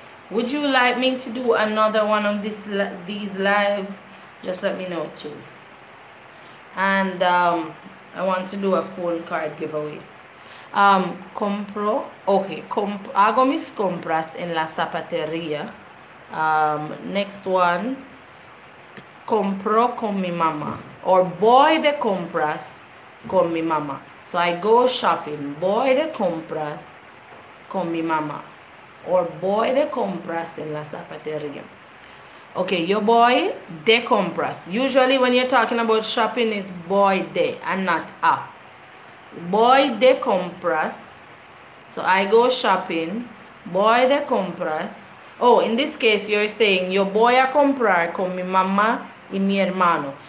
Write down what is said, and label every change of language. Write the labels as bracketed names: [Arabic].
[English] Would you like me to do another one of these lives? Just let me know too. And I want to do a phone card giveaway. [Spanish] Compro, okay, hago mis compras en la zapatería. [English] Next one, [Spanish] compro con mi mama, or voy de compras con mi mama. [English] So I go shopping, [Spanish] voy de compras con mi mama, or voy de compras en la zapatería. Okay, yo voy de compras. [English] Usually when you're talking about shopping, it's voy de and not a. [Spanish] Voy de compras. [English] So I go shopping. [Spanish] Voy de compras. [English] Oh, in this case, you're saying [Spanish] yo voy a comprar con mi mamá y mi hermano.